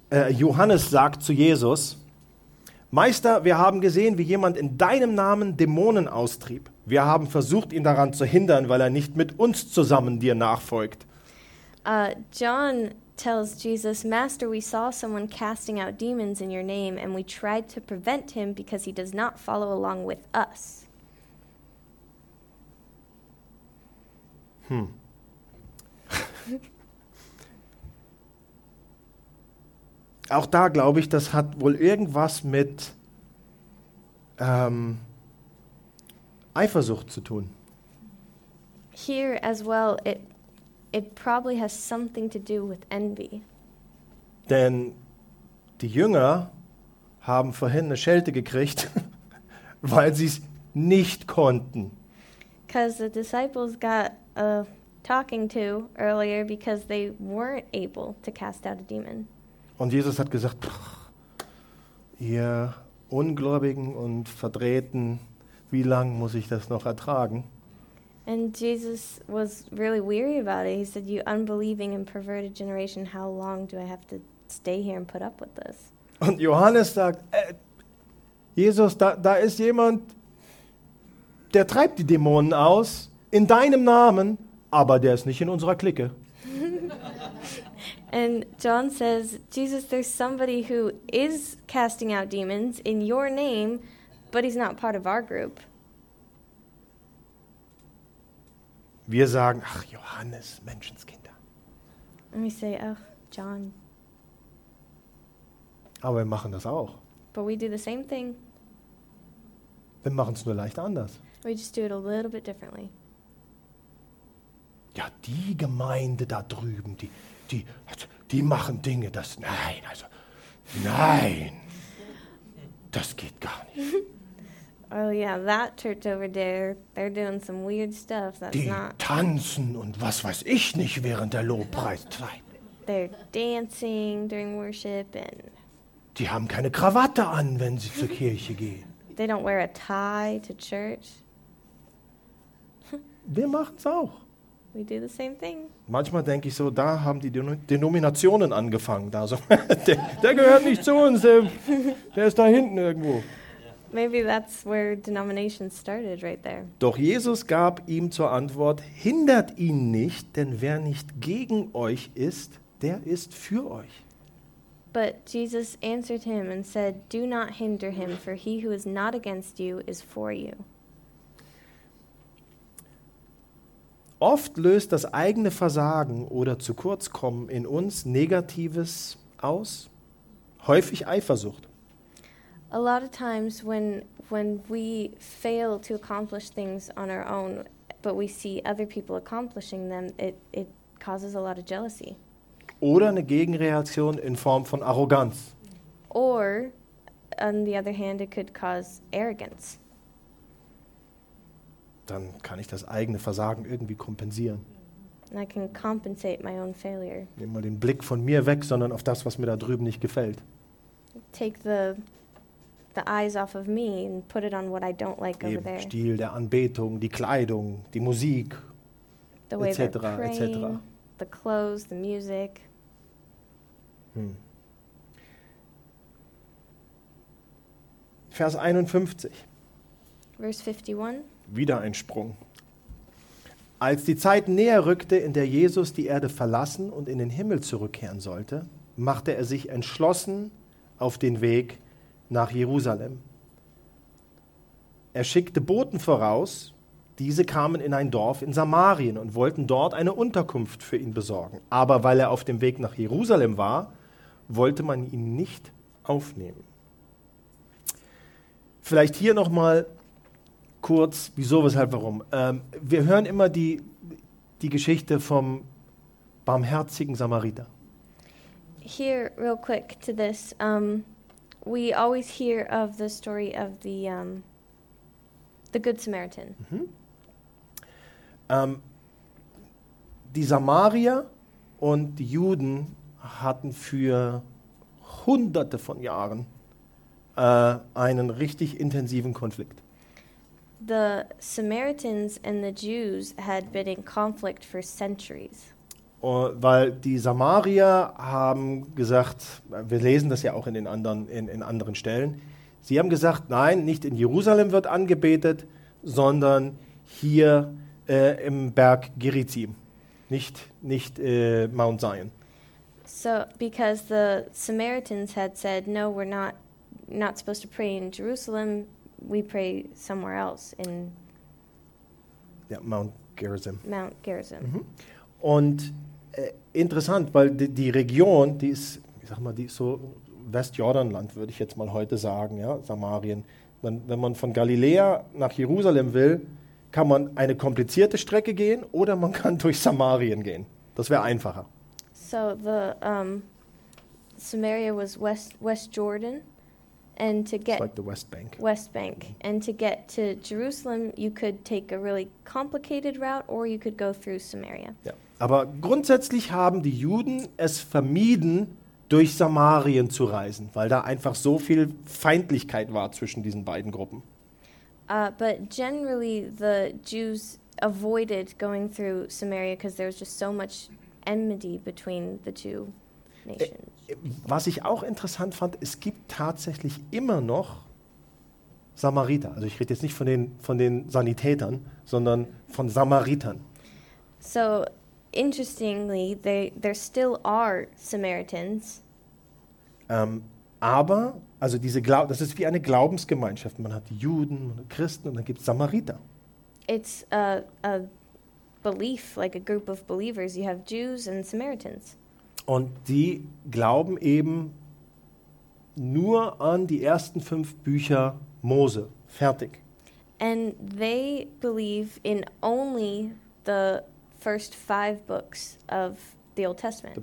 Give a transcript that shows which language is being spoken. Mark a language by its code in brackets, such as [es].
[de] Johannes sagt zu Jesus, Meister, wir haben gesehen, wie jemand in deinem Namen Dämonen austrieb. Wir haben versucht, ihn daran zu hindern, weil er nicht mit uns zusammen dir nachfolgt. [en] John tells Jesus, Master, we saw someone casting out demons in your name, and we tried to prevent him because he does not follow along with us. [de] Auch da glaube ich, das hat wohl irgendwas mit Eifersucht zu tun. [en] Here as well, it probably has something to do with envy. [de] Denn die Jünger haben vorhin eine Schelte gekriegt, weil sie es nicht konnten. [en] Because the disciples got a talking to earlier because they weren't able to cast out a demon. [de] Und Jesus hat gesagt, ihr Ungläubigen und Verdrehten, wie lange muss ich das noch ertragen? [en] And Jesus was really weary about it. He said, you unbelieving and perverted generation, how long do I have to stay here and put up with this? [de] Und Johannes sagt, Jesus, da ist jemand, der treibt die Dämonen aus in deinem Namen, aber der ist nicht in unserer Clique. [en] And John says, Jesus, there's somebody who is casting out demons in your name, but he's not part of our group. [de] Wir sagen, ach, Johannes, Menschenskinder. [en] And we say, ach, John. [de] Aber wir machen das auch. [en] But we do the same thing. [de] Wir machen es nur leicht anders. [en] We just do it a little bit differently. [de] Ja, die Gemeinde da drüben, die machen Dinge, das, nein, also, nein, das geht gar nicht. [en] Oh yeah, that church over there, they're doing some weird stuff, that's [de] die [en] not... [de] Die tanzen und was weiß ich nicht während der Lobpreiszeit. [en] They're dancing during worship and... [de] Die haben keine Krawatte an, wenn sie zur Kirche gehen. [en] They don't wear a tie to church. [de] Wir machen's auch. [en] We do the same thing. [de] Manchmal denke ich so, da haben die Denominationen angefangen. Da so, der gehört nicht zu uns, der ist da hinten irgendwo. [en] Maybe that's where denominations started right there. [de] Doch Jesus gab ihm zur Antwort, hindert ihn nicht, denn wer nicht gegen euch ist, der ist für euch. [en] But Jesus answered him and said, do not hinder him, for he who is not against you is for you. [de] Oft löst das eigene Versagen oder zu kurz kommen in uns Negatives aus, häufig Eifersucht. [en] A lot of times when we fail to accomplish things on our own, but we see other people accomplishing them, it causes a lot of jealousy. [de] Oder eine Gegenreaktion in Form von Arroganz. [en] Or on the other hand, it could cause arrogance. [de] Dann kann ich das eigene Versagen irgendwie kompensieren. [en] I can compensate my own failure. [de] Nimm mal den Blick von mir weg, sondern auf das, was mir da drüben nicht gefällt. [en] Take the eyes off of me and put it on what I don't like [de] Eben [en] over there. [de] Der Stil der Anbetung, die Kleidung, die Musik, etc. [en] etc. The clothes, the music. [de] Vers 51. [en] Verse 51. [de] Wieder ein Sprung. Als die Zeit näher rückte, in der Jesus die Erde verlassen und in den Himmel zurückkehren sollte, machte er sich entschlossen auf den Weg nach Jerusalem. Er schickte Boten voraus, diese kamen in ein Dorf in Samarien und wollten dort eine Unterkunft für ihn besorgen. Aber weil er auf dem Weg nach Jerusalem war, wollte man ihn nicht aufnehmen. Vielleicht hier nochmal kurz, wieso, weshalb, warum. Wir hören immer die Geschichte vom barmherzigen Samariter. [en] Here, real quick to this. We always hear of the story of the Good Samaritan. Mm-hmm. [de] Die Samarier und die Juden hatten für hunderte von Jahren einen richtig intensiven Konflikt. [en] The Samaritans and the Jews had been in conflict for centuries. [de] Weil die Samarier haben gesagt, wir lesen das ja auch in anderen Stellen, sie haben gesagt, nein, nicht in Jerusalem wird angebetet, sondern hier im Berg Gerizim, nicht Mount Zion. [en] So, because the Samaritans had said, no, we're not supposed to pray in Jerusalem, we pray somewhere else in Mount Gerizim. Mm-hmm. [de] Und interessant, weil die Region, die ist, ich sag mal, die ist so Westjordanland, würde ich jetzt mal heute sagen, ja, Samarien. Wenn man von Galiläa nach Jerusalem will, kann man eine komplizierte Strecke gehen oder man kann durch Samarien gehen. Das wäre einfacher. [en] So Samaria was West Jordan. And to get it's like the West Bank. West Bank. Mm-hmm. And to get to Jerusalem, you could take a really complicated route or you could go through Samaria. [de] Ja. Aber grundsätzlich haben die Juden es vermieden, durch Samarien zu reisen, weil da einfach so viel Feindlichkeit war zwischen diesen beiden Gruppen. [en] But generally the Jews avoided going through Samaria because there was just so much enmity between the two nations. [de] Was ich auch interessant fand, es gibt tatsächlich immer noch Samariter. Also ich rede jetzt nicht von den Sanitätern, sondern von Samaritern. [en] So, interestingly, there still are Samaritans. [de] Aber, also diese das ist wie eine Glaubensgemeinschaft. Man hat Juden, man hat Christen und dann gibt es Samariter. [en] It's a belief, like a group of believers. You have Jews and Samaritans. [de] Und die glauben eben nur an die ersten 5 Bücher Mose. Fertig. [en] And they believe in only the first 5 books of the Old Testament.